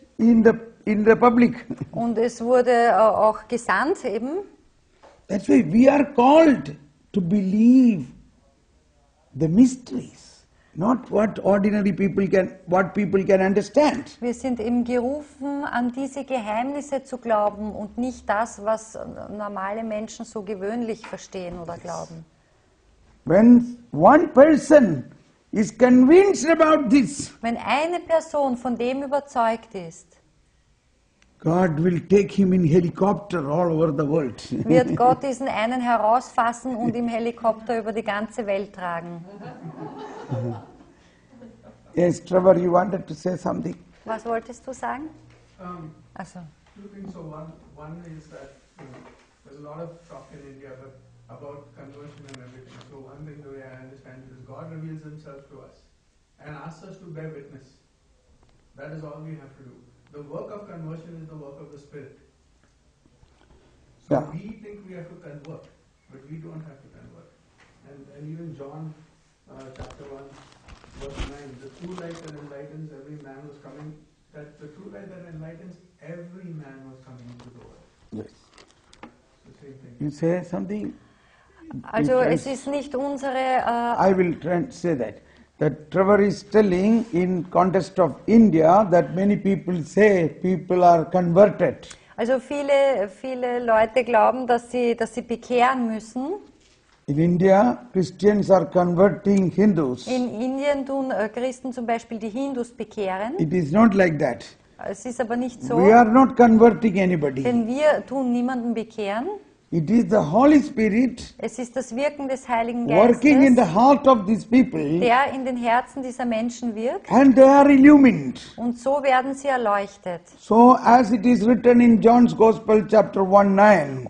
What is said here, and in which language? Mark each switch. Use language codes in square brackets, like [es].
[en] In the public. [de] Und es wurde auch gesandt eben. [en] That's why we are called to believe the mysteries, not what ordinary people can, what people can understand. [de] Wir sind eben gerufen, an diese Geheimnisse zu glauben und nicht das, was normale Menschen so gewöhnlich verstehen oder glauben. [en] When one person is convinced about this, [de] wenn eine Person von dem überzeugt ist, [en] God will take him in helicopter all over the world. [de] Wird Gott diesen einen herausfassen und im Helikopter über die ganze Welt tragen? [en] Yes, Trevor, you wanted to say something. [de] Was wolltest du sagen? [en] Also. Two things. So one is that, you know, there's a lot of talk in India about conversion and everything. So one thing the way I understand is God reveals himself to us and asks us to bear witness. That is all we have to do. The work of conversion is the work of the Spirit. So yeah. We think we have to convert, but we don't have to convert. And even John chapter 1, verse 9, the true light that enlightens every man was coming, that the true light that enlightens every man was coming into the world. Yes. So same thing. You say something? [de] Also es ist nicht unsere... [en] I will say that. That Trevor is telling in context of India that many people say people are converted. [de] Also viele Leute glauben, dass sie bekehren müssen. [en] In India, Christians are converting Hindus. [de] In Indien tun Christen zum Beispiel die Hindus bekehren. [en] It is not like that. [de] Es ist aber nicht so. [en] We are not converting anybody. [de] Denn wir tun niemanden bekehren. [en] It is the Holy Spirit. [de] Es ist das Wirken des Heiligen Geistes. [en] Working in the heart of these people. [de] Der in den Herzen dieser Menschen wirkt. [en] And they are illumined. [de] Und so werden sie erleuchtet. [en] So as it is written in John's Gospel chapter 1:9.